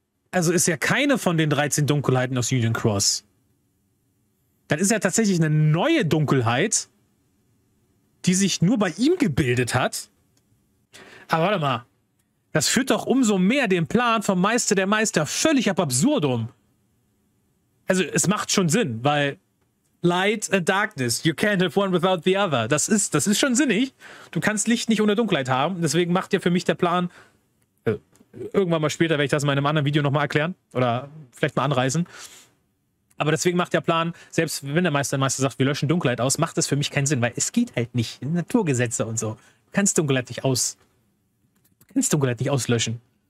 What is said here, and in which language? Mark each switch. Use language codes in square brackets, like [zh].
[de] also ist ja keine von den 13 Dunkelheiten aus Union Cross. Dann ist ja tatsächlich eine neue Dunkelheit, die sich nur bei ihm gebildet hat. Aber warte mal. Das führt doch umso mehr den Plan vom Meister der Meister völlig ab Absurdum. Also es macht schon Sinn, weil [en] Light and Darkness, you can't have one without the other. [de] Das ist schon sinnig. Du kannst Licht nicht ohne Dunkelheit haben. Deswegen macht ja für mich der Plan, irgendwann mal später werde ich das mal in einem anderen Video nochmal erklären oder vielleicht mal anreißen. Aber deswegen macht der Plan, selbst wenn der Meister sagt, wir löschen Dunkelheit aus, macht das für mich keinen Sinn, weil es geht halt nicht. Naturgesetze und so. Du kannst Dunkelheit nicht aus. Du kannst Dunkelheit nicht auslöschen.